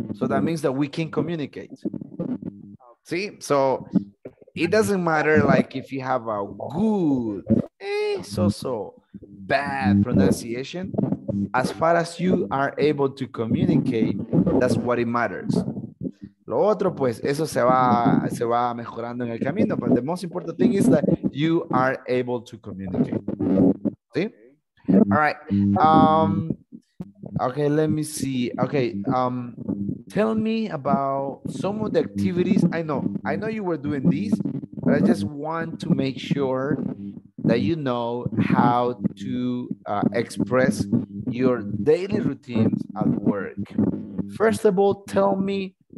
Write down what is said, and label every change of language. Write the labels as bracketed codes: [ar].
[en] So that means that we can communicate. See, so it doesn't matter like if you have a good, so bad pronunciation. As far as you are able to communicate, that's what it matters. [es] Lo otro, pues, eso se va mejorando en el camino. [en] But the most important thing is that you are able to communicate. See? All right. Okay, let me see. Okay, tell me about some of the activities. I know you were doing this, but I just want to make sure that you know how to express your daily routines at work. First of all, tell me